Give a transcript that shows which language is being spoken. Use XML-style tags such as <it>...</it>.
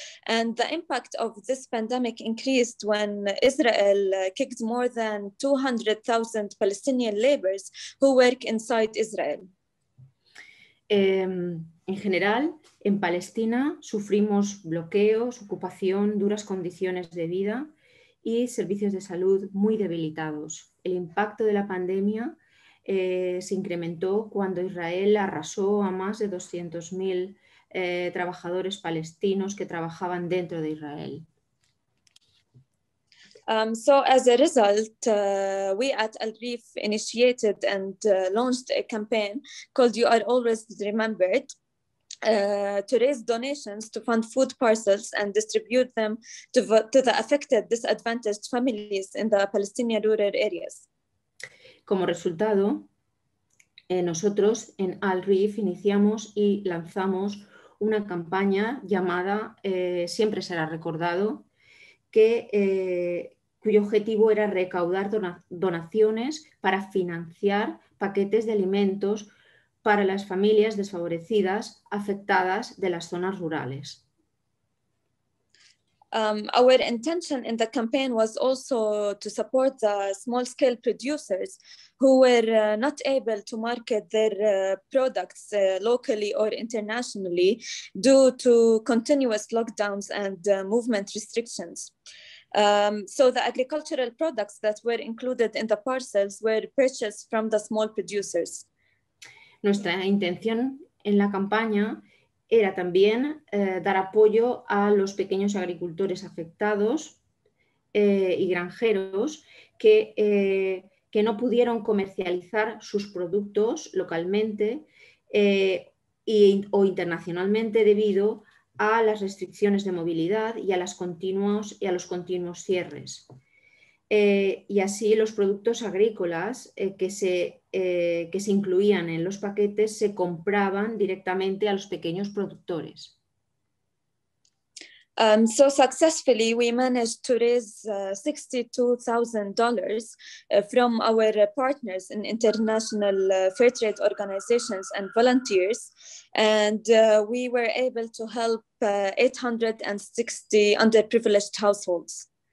<en>And the impact of this pandemic increased when Israel kicked more than 200,000 Palestinian laborers who work inside Israel.</en> <es>En general, en Palestina sufrimos bloqueos, ocupación, duras condiciones de vida y servicios de salud muy debilitados. El impacto de la pandemia se incrementó cuando Israel arrasó a más de 200,000 trabajadores palestinos que trabajaban dentro de Israel.</es> <en>So as a result, we at Alrif initiated and launched a campaign called You Are Always Remembered to raise donations to fund food parcels and distribute them to the affected disadvantaged families in the Palestinian rural areas.</en> <es>Como resultado, nosotros en Alrif iniciamos y lanzamos una campaña llamada Siempre Será Recordado, que cuyo objetivo era recaudar donaciones para financiar paquetes de alimentos para las familias desfavorecidas afectadas de las zonas rurales.</es> <en>Our intention in the campaign was also to support the small-scale producers who were not able to market their products locally or internationally due to continuous lockdowns and movement restrictions. So the agricultural products that were included in the parcels were purchased from the small producers.</en> <es>Nuestra intención en la campaña era también dar apoyo a los pequeños agricultores afectados y granjeros que no pudieron comercializar sus productos localmente o internacionalmente debido a las restricciones de movilidad y a los continuos cierres. Y así los productos agrícolas que se incluían en los paquetes se compraban directamente a los pequeños productores.</es> <en>So successfully we managed to raise $62,000 from our partners in international fair trade organizations and volunteers, and we were able to help 860 underprivileged households.</en>